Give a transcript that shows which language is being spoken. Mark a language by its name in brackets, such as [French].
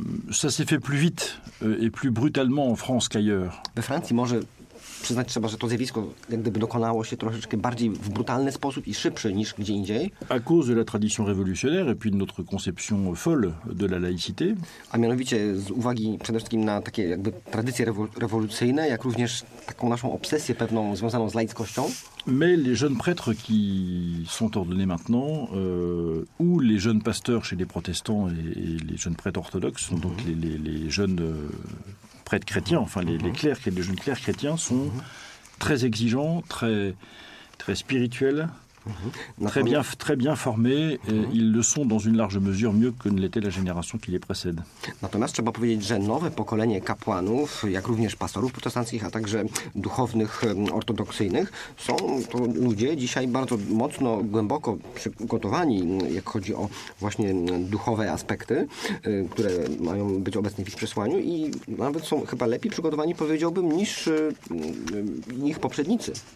[French] Ça s'est fait plus vite et plus brutalement en France qu'ailleurs. [Polish] We Francji może przyznać trzeba, że to zjawisko jak gdyby dokonało się troszeczkę bardziej w brutalny sposób i szybszy niż gdzie indziej. [French] À cause de la tradition révolutionnaire et puis de notre conception folle de la laïcité. [Polish] A mianowicie z uwagi przede wszystkim na takie jakby tradycje rewolucyjne, jak również taką naszą obsesję pewną związaną z laickością. [French] Mais les jeunes prêtres qui sont ordonnés maintenant, ou les jeunes pasteurs chez les protestants et les jeunes prêtres orthodoxes, sont donc les jeunes prêtres chrétiens, enfin les clercs et les jeunes clercs chrétiens sont très exigeants, très spirituels. Très bien formés. Ils le sont dans une large mesure mieux que ne l'était la génération qui les précède. [Polish] Natomiast trzeba powiedzieć, że nowe pokolenie kapłanów, jak również pastorów protestanckich, a także duchownych ortodoksyjnych, są to ludzie dzisiaj bardzo mocno, głęboko przygotowani, jak chodzi o właśnie duchowe aspekty, które mają być obecne w ich przesłaniu i nawet są chyba lepiej przygotowani, powiedziałbym, niż ich poprzednicy.